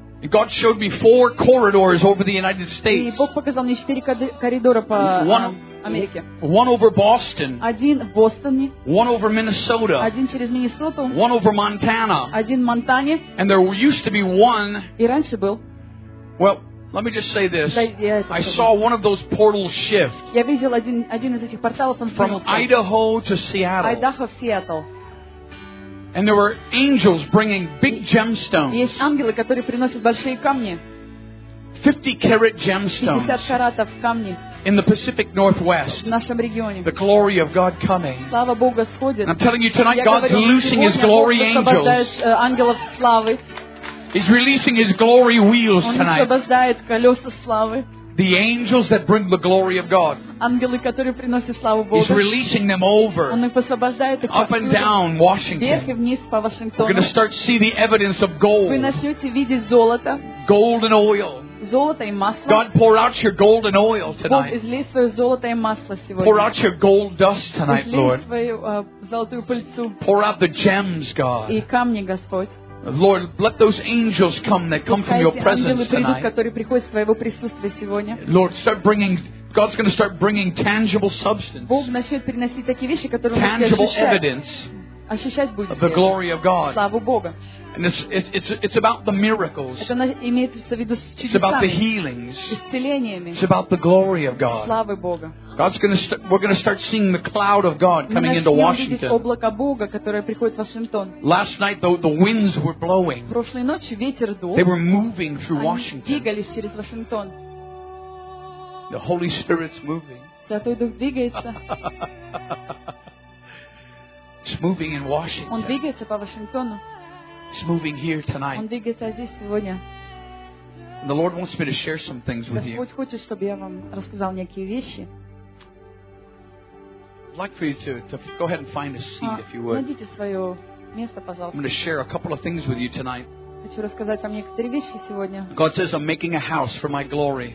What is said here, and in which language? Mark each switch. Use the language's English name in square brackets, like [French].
[English] God showed me four corridors over the United States. [Russian] И Бог показал мне четыре коридора по Америке. [English] One over Boston. [Russian] Один в Бостоне. [English] One over Minnesota. [Russian] Один через Миннесоту. [English] One over Montana. [Russian] Один в Монтане. [English] And there used to be one. [Russian] И раньше был. [English] Well, let me just say this. I saw one of those portals shift. [Russian] Я видел один из этих порталов, он сдвинулся. [English] From Idaho to Seattle. [Russian] Айдахо в Сиэтл. [English] And there were angels bringing big gemstones. [Russian] Есть ангелы, которые приносят большие камни. [English] 50-carat gemstones. [Russian] 50 каратов камней. [English] In the Pacific Northwest. [Russian] В нашем регионе. [English] The glory of God coming. [Russian] Слава Богу сходит. [English] I'm telling you tonight, God's loosing His glory angels. [Russian] Ангелов славы. [English] He's releasing His glory wheels tonight. [Russian] Он освобождает колеса славы. [English] The angels that bring the glory of God. [Russian] Ангелы, которые приносят славу Богу. [English] He's releasing them over. [Russian] Он их освобождает. [English] Up and down Washington. [Russian] Вверх и вниз по Вашингтону. [English] We're going to start to see the evidence of gold. [Russian] Вы начнете видеть золото. [English] Golden oil. [Russian] Золото и масло. [English] God, pour out your golden oil tonight. [Russian] Бог, излей свое золото и масло сегодня. [English] Pour out your gold dust tonight, Lord. [Russian] Излей свою золотую пыльцу. [English] Pour out the gems, God. [Russian] И камни, Господь. [English] Lord, let those angels come that come from your presence tonight. Lord, start bringing. God's going to start bringing tangible substance. Tangible evidence of the glory of God. And it's about the miracles. It's about the healings. It's about the glory of God. God's going to we're going to start seeing the cloud of God coming into Washington. [Russian] Облако Бога, которое приходит в Вашингтон. [English] Last night the winds were blowing. [Russian] Прошлой ночью ветер дул. [English] They were moving through Washington. [Russian] Они двигались через Вашингтон. [English] The Holy Spirit's moving. [Russian] Святой Дух двигается. [English] It's moving in Washington. [Russian] Он двигается по Вашингтону. [English] It's moving here tonight. [Russian] Он двигается здесь сегодня. [English] And the Lord wants me to share some things with you. [Russian] Господь хочет, чтобы я вам рассказал некие вещи. [English] I'd like for you to go ahead and find a seat, if you would. [Russian] Найдите свое место, пожалуйста. [English] I'm going to share a couple of things with you tonight. [Russian] Хочу рассказать вам некоторые вещи сегодня. [English] God says, I'm making a house for my glory.